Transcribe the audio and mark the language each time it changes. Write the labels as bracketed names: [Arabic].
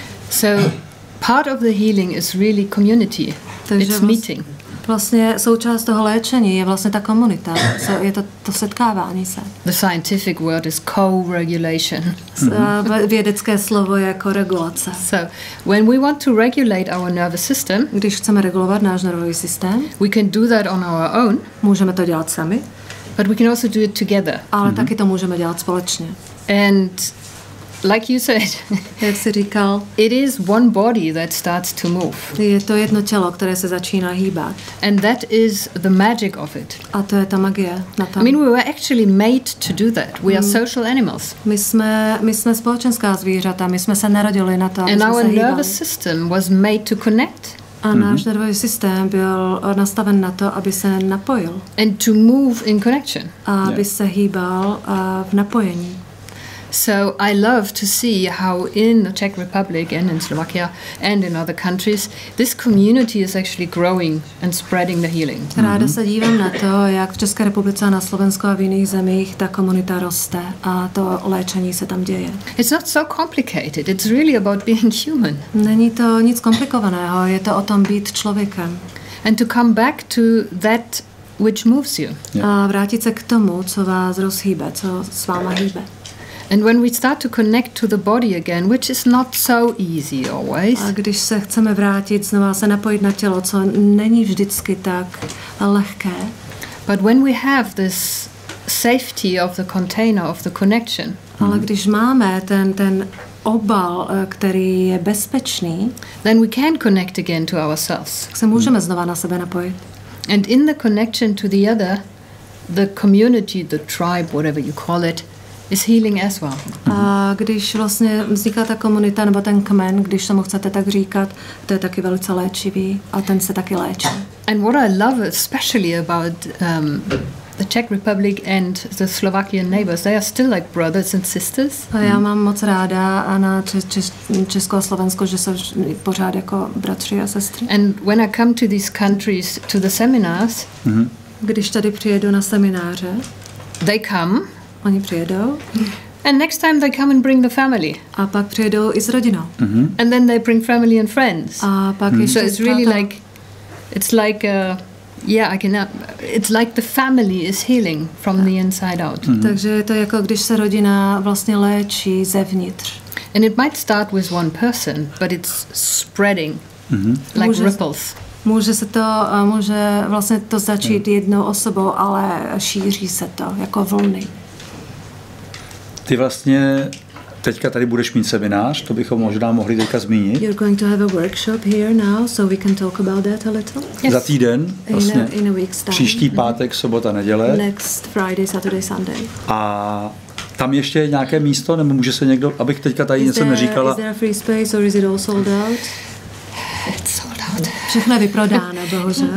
[English] So part of the healing is really community. It's meeting. [Czech] Vlastně součást toho léčení je vlastně ta komunita. So je to setkávání se. [English] The scientific word is co-regulation. [Czech] Vědecké slovo je koregulace. [English] So when we want to regulate our nervous system, [Czech] když chceme regulovat náš nervový systém, [English] we can do that on our own. [Czech] Můžeme to dělat sami. [English] But we can also do it together. [Czech] Ale taky to můžeme dělat společně. [English] And like you said, [Czech] jak jsi říkal, [English] it is one body that starts to move. [Czech] Je to jedno tělo, které se začíná hýbat. [English] And that is the magic of it. [Czech] A to je ta magie na tom. [English] I mean, we were actually made to do that. We are social animals. [Czech] My jsme společenská zvířata. My jsme se narodili na to, aby [English] and [Czech] jsme [English] our [Czech] se [English] nervous [Czech] hýbali. [English] System was made to connect. [Czech] A náš nervový systém byl nastaven na to, aby se napojil. [English] And to move in connection. [Czech] A aby se hýbal v napojení. [English] So I love to see how in the Czech Republic and in Slovakia and in other countries this community is actually growing and spreading the healing. [Czech] Ráda se dívám na to, jak v České republice a na Slovensku a v jiných zemích ta komunita roste a to léčení se tam děje. [English] It's not so complicated. It's really about being human. [Czech] Není to nic komplikovaného, je to o tom být člověkem. [English] And to come back to that which moves you. [Czech] A vrátit se k tomu, co vás rozhýbe, co s váma hýbe. [English] And when we start to connect to the body again, which is not so easy always. [Czech] A když se chceme vrátit znova se napojit na tělo, co není vždycky tak lehké. [English] But when we have this safety of the container of the connection. [Czech] Ale když máme ten obal, který je bezpečný, [English] then we can connect again to ourselves. [Czech] Se můžeme znova na sebe napojit. [English] And in the connection to the other, the community, the tribe, whatever you call it, is healing as well. [Czech] A když vlastně vzniká ta komunita nebo ten kmen, když tomu chcete tak říkat, to je taky velice léčivý a ten se taky léčí. [English] And what I love especially about the Czech Republic and the Slovakian neighbors, they are still like brothers and sisters. [Czech] A já mám moc ráda a na Česko a Slovensko, že jsou pořád jako bratři a sestry. [English] And when I come to these countries to the seminars, [Czech] když tady přijedu na semináře, [English] they come. [Czech] Oni přijedou. [English] And next time they come and bring the family. [Czech] A pak přijedou i s rodinou. [English] And then they bring family and friends. [Czech] A pak ještě [English] so it's really like it's like the family is healing from the inside out. [Czech] Takže to jako když se rodina vlastně léčí zevnitř. [English] And it might start with one person, but it's spreading. Like ripples. [Czech] Může se to může vlastně to začít jednou osobou, ale šíří se to jako vlny. Ty vlastně teďka tady budeš mít seminář, to bychom možná mohli teďka zmínit. [English] You're going to have a workshop here now, so we can talk about that a little. [Czech] Yes. Za týden, vlastně. [English] In a week's time. [Czech] Příští pátek, sobota, neděle. [English] Next Friday, Saturday, Sunday. [Czech] A tam ještě je nějaké místo, nebo může se někdo, abych teďka tady něco neříkala. [English] Is there a free space or is it all sold out? It's sold out. [Czech] Všechno je vyprodáno, bohužel.